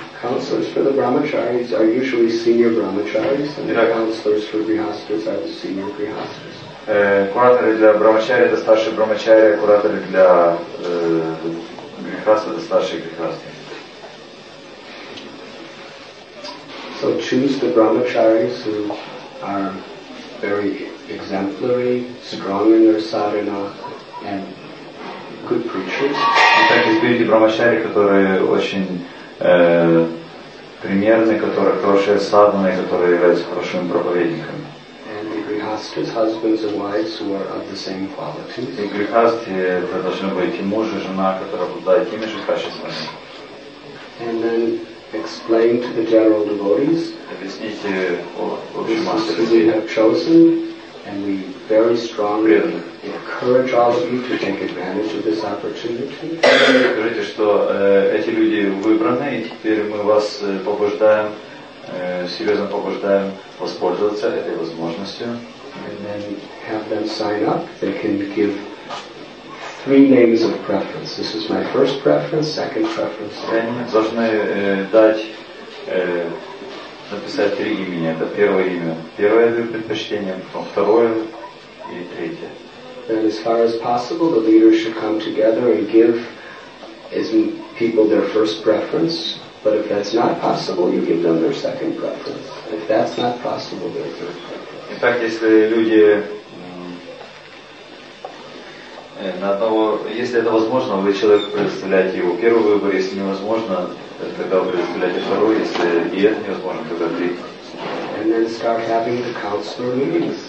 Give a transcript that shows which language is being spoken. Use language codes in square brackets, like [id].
[en] Counselors for the brahmacharis are usually senior brahmacharis, and the counselors for grihastas are the senior grihastas. [ru] Кураторы для брахмачари это старшие брахмачари, кураторы для грихаста это старшие грихасты. [en] So choose the brahmacharis who are very exemplary, strong in their sadhana, and good preachers. [ru] Итак, избирайте брахмачари, которые очень примерные, которые хорошие садханы, которые являются хорошими проповедниками. [en] And the grihastas, husbands and wives who are of the same qualities. [ru] И грихасты это должны быть и муж и жена, которые обладают теми же качествами. [en] And then explain to the general devotees. [ru] Объясните общим мастерам. [en] This is who we have chosen, and we very strongly encourage all of you to take advantage of this opportunity. [ru] Скажите, что эти люди выбраны, и теперь мы вас побуждаем, серьезно побуждаем воспользоваться этой возможностью. [en] And then have them sign up. They can give three names of preference. This is my first preference, second preference. [ru] Они должны дать, написать три имени. Это первое имя. Первое предпочтение, второе и третье. [en] Then as far as possible, the leaders should come together and give as people their first preference. But if that's not possible, you give them their second preference. If that's not possible, their third preference. In fact, [ru] если люди на одного, если это возможно, вы человек представляете его первый выбор. Если невозможно, тогда вы представляете второй. Если и это невозможно, тогда третий. [en] And then start having the counselor meetings.